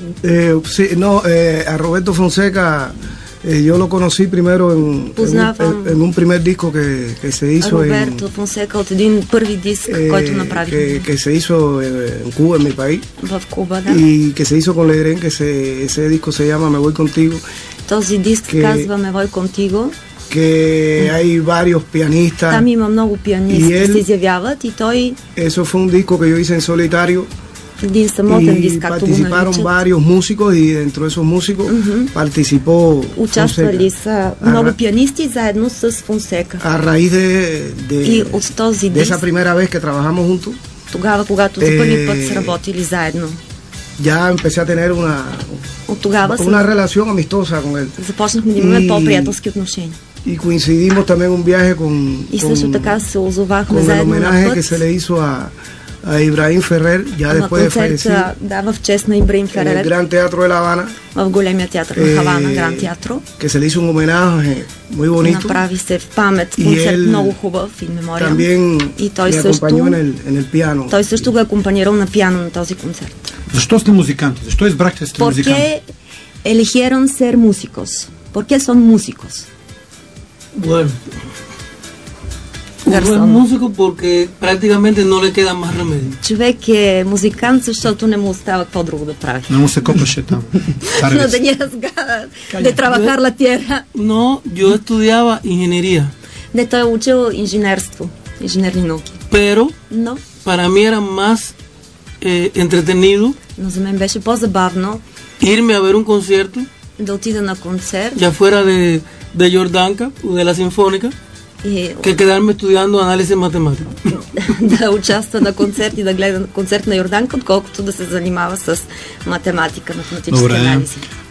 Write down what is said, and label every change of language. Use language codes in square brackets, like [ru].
[es] A Roberto Fonseca yo lo conocí primero en un primer disco que se hizo [bg] Roberto Fonseca от един първи диск, който направих. [es] Que se hizo en Cuba, en mi país. [bg] В Куба, да. [es] И que se hizo con Leren, que ese disco se llama Me voy contigo. [bg] Този диск казва [es] Me voy contigo. Que hay varios pianistas. [bg] Там има много пианисти, и él, се изявяват и той. [es] Eso fue un disco que yo hice en solitario. [bg] Един самотен диск, [es] както participaron varios músicos y dentro de esos músicos participó [bg] участвали са много пианисти заедно с Фонсека. [es] A raíz de [bg] и от този диск, [es] de esa primera vez que trabajamos juntos. [bg] Тогава, когато за първи път сработили заедно. [es] Ya empecé a tener una [bg] от тогава [es] una relación amistosa con él. [bg] Започнахме да имаме по-приятелски отношения. [es] Y coincidimos también un viaje con [bg] и също така се озовахме заедно на път. [es] Que se le hizo a Ibrahim Ferrer, ya después de fallecer. [bg] Да, в чест на Ибрахим Ферер. [es] El Gran Teatro de La Habana. [bg] В големия театър на Хавана, Gran Teatro. [es] Que se le hizo un homenaje muy bonito. [bg] Направи се в памет концерт, много хубав и мемориал. [es] También [bg] и той също [es] acompañó en el piano. [bg] Той също го акомпанирал на пиано на този концерт. Защо сте музиканти? Защо избрахте сте [es] Porque [bg] музиканти? [es] Porque eligieron ser músicos. Porque son músicos. Garzón. Es músico porque prácticamente no le queda más remedio. [bg] Човек е музикант, защото не му остава какво друго да прави. Не му се копаше там. [es] No tenías ganas de trabajar la tierra. No, yo estudiaba ingeniería. [bg] Не, той е учил инженерство, инженерни науки. [es] Pero, no. Para mí era más entretenido. [bg] Но за мен беше по-забавно. [es] Irme a ver un concierto. [bg] Да отида на концерт. [es] Ya fuera de Jordanka o de la Sinfónica. Que quedarme estudiando análisis matemático. [bg] Да участва на концерт и да гледа концерт на Йорданка, отколкото да се занимава с математика, математически